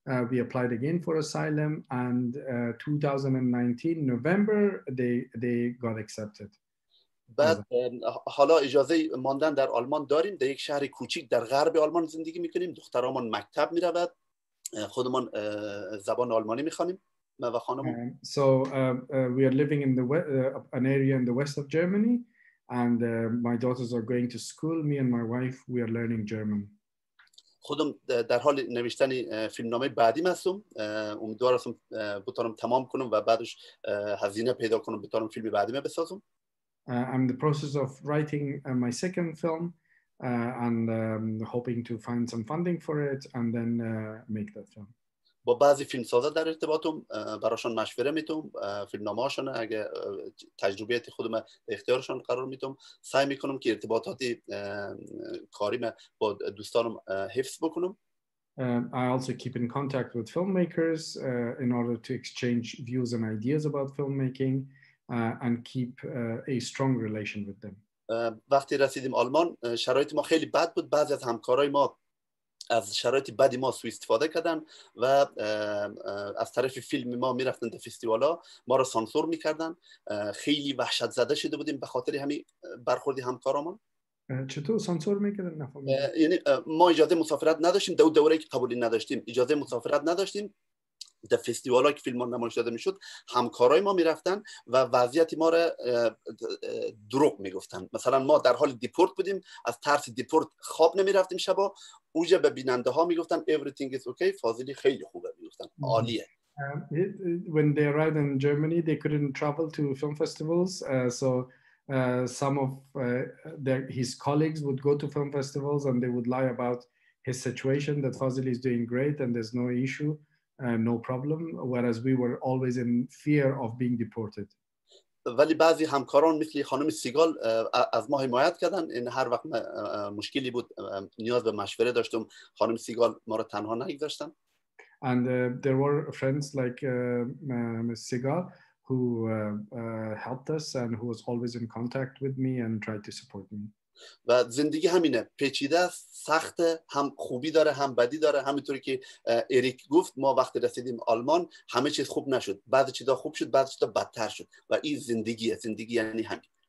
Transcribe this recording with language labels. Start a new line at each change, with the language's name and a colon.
English: We applied again for asylum and 2019 November they got accepted.
Persian: بعد حالا اجازه ماندن در آلمان داریم، در یک شهر کوچیک در غرب آلمان زندگی میکنیم، دخترامون مکتب میرود، خودمون زبان آلمانی میخوانیم.
English: We are living in the an area in the west of Germany, and my daughters are going to school. Me and my wife, we are learning German.
Persian: خودم در حال نوشتن فیلمنامه بعدی هستم. امیدوار هستم بتونم تمام کنم و بعدش هزینه پیدا کنم بتونم فیلم بعدی بسازم.
English: I'm in the process of writing my second film, and hoping to find some funding for it and then make that film.
Persian: با بعضی فیلمسازا در ارتباطم، براشون مشوره میتوم فیلمنامه‌هاشون، اگه تجربیات خودم اختیارشون قرار میتوم، سعی میکنم که ارتباطاتی کاریم با دوستانم حفظ بکنم.
English: I also keep in contact with filmmakers in order to exchange views and ideas about filmmaking and keep a strong relation with them.
Persian: وقتی رسیدیم آلمان شرایط ما خیلی بد بود، بعضی از همکارای ما از شرایط بدی ما سوء استفاده کردن و از طرف فیلم ما میرفتن در فستیوالا، ما را سانسور میکردن، خیلی وحشت زده شده بودیم به خاطر همین برخورد همکارامون. چطور سانسور میکردن نفهمید؟ یعنی ما اجازه مسافرت نداشتیم، دو دوره که قبولی نداشتیم اجازه مسافرت نداشتیم. در فستیوال ها که فیلم ها نمایش داده میشد همکارای ما میرفتن و وضعیت ما را دروغ میگفتن. مثلا ما در حال دیپورت بودیم، از ترس دیپورت خواب نمیرفتیم شبا، اوجا به بیننده ها میگفتن
English: everything is okay،
Persian: فاضلی خیلی خوبه میگفتن، عالیه.
English: When they arrived in Germany they couldn't travel to film festivals, so some of his colleagues would go to film festivals and they would lie about his situation that Fazili is doing great and there's no issue and no problem, whereas we were always in fear of being deported.
Persian: ولی بعضی همکاران مثل خانم سیگال از ما حمایت کردن. این هر وقت مشکلی بود نیاز به مشوره داشتم، خانم سیگال ما رو تنها نگذاشتن.
English: And there were friends like Ms. Sigal who helped us and who was always in contact with me and tried to support me.
Persian: و زندگی همینه، پیچیده است، سخت، هم خوبی داره هم بدی داره. همینطوری که اریک گفت، ما وقتی رسیدیم آلمان همه چیز خوب نشد، بعضی چیزا خوب شد بعضی چیزا بدتر شد، و این زندگیه، زندگی یعنی همین.